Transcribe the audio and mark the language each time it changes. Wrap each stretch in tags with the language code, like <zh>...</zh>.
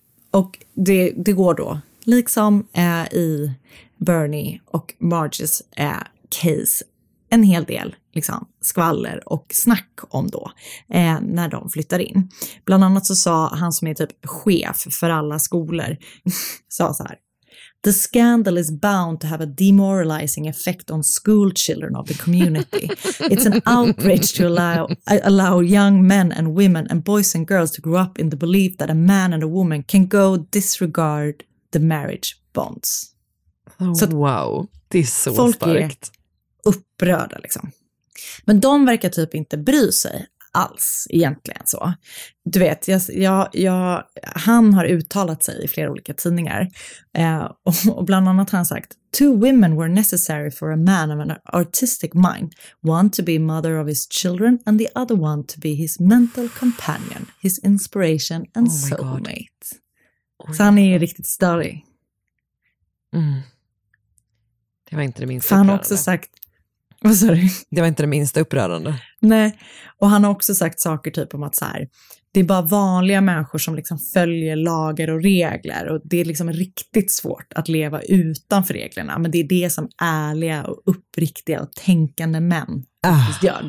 <sv>Och det går då liksom i Bernie och Marges case en hel del liksom, skvaller och snack om då när de flyttar in. Bland annat så sa han som är typ chef för alla skolor, sa så här.</sv> <en>The scandal is bound to have a demoralizing effect on school children of the community. It's an outrage to allow young men and women and boys and girls to grow up in the belief that a man and a woman can go disregard The Marriage Bonds.</en> <sv>Oh, så wow, det är så folk starkt. Folk är upprörda liksom. Men de verkar typ inte bry sig alls egentligen så. Du vet, han har uttalat sig i flera olika tidningar. Och bland annat har han sagt:</sv> <en>"Two women were necessary for a man of an artistic mind. One to be mother of his children and the other one to be his mental companion, his inspiration and soulmate."</en> <sv>Så han är ju riktigt störig. Mm. Det var inte det minsta. Så han har också sagt...</sv> <en>Oh, sorry.</en> <sv>Det var inte det minsta upprörande. Nej, och han har också sagt saker typ om att så här, det är bara vanliga människor som liksom följer lagar och regler, och det är liksom riktigt svårt att leva utanför reglerna, men det är det som ärliga och uppriktiga och tänkande män gör.</sv>